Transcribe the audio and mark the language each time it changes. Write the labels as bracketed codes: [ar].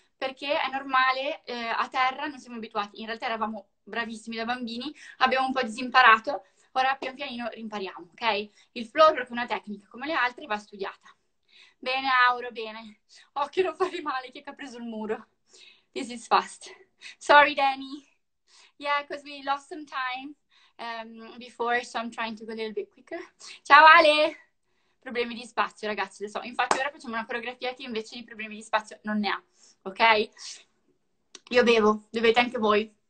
[it] Perché è normale, a terra non siamo abituati. In realtà eravamo bravissimi da bambini, abbiamo un po' disimparato. Ora pian pianino rimpariamo, ok? Il floor è una tecnica come le altre, va studiata. Bene, Auro, bene. Occhio, non fare male, che ha preso il muro. [en] This is fast. Sorry, Danny. Yeah, because we lost some time before, so I'm trying to go a little bit quicker. [it] Ciao, Ale! Problemi di spazio, ragazzi, lo so. Infatti ora facciamo una coreografia che invece di problemi di spazio non ne ha, ok? Io bevo, bevete anche voi.